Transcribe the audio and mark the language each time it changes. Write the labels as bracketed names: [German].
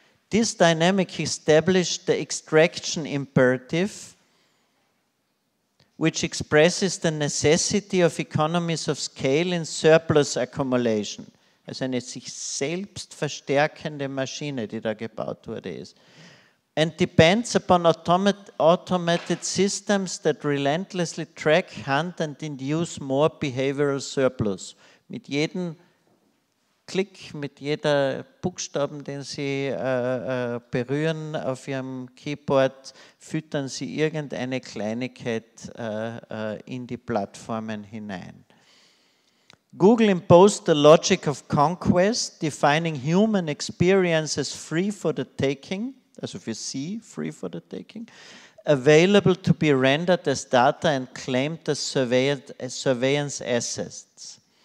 [English] This dynamic established the extraction imperative, which expresses the necessity of economies of scale in surplus accumulation. [German] Also eine sich selbst verstärkende Maschine, die da gebaut wurde, ist. [English] And depends upon automated systems that relentlessly track, hunt and induce more behavioral surplus. [German] Mit jedem Klick, mit jeder Buchstaben, den Sie berühren auf Ihrem Keyboard, füttern Sie irgendeine Kleinigkeit in die Plattformen hinein. [English] Google imposed the logic of conquest, defining human experiences free for the taking, [German] also für Sie, [English] free for the taking, available to be rendered as data and claimed as surveillance assets.